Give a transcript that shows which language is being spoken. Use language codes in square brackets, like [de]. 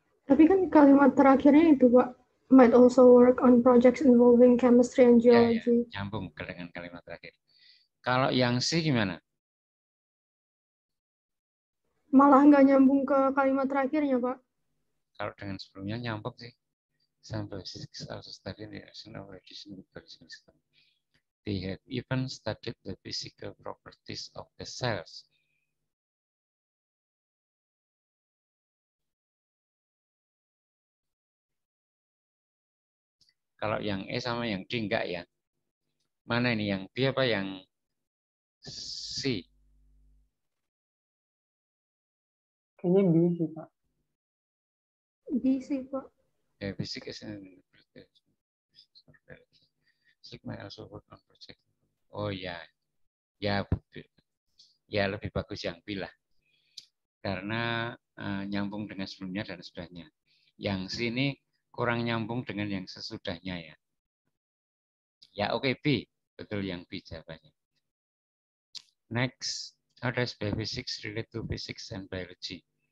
[id] Tapi kan kalimat terakhirnya itu, Pak, [en] might also work on projects involving chemistry and geology. Ya, ya. [id] Nyambung dengan kalimat terakhir. Kalau yang C gimana? Malah nggak nyambung ke kalimat terakhirnya, Pak. Kalau dengan sebelumnya nyambung sih. [en] Sampai physics also studied the action of radiation with biological system. They have even studied the physical properties of the cells. [id] Kalau yang E sama yang D enggak ya. Mana ini yang B apa yang C? Kayaknya B sih, Pak. B sih, Pak. [en] Ya, fisik is an interpretation. Sigma also work on project. Oh ya. [id] Ya, ya lebih bagus yang B lah. Karena nyambung dengan sebelumnya dan sudahnya. Yang C ini kurang nyambung dengan yang sesudahnya ya. Ya oke, okay, B. Betul yang B jawabannya. [en] Next, how does biophysics relate to physics and biology?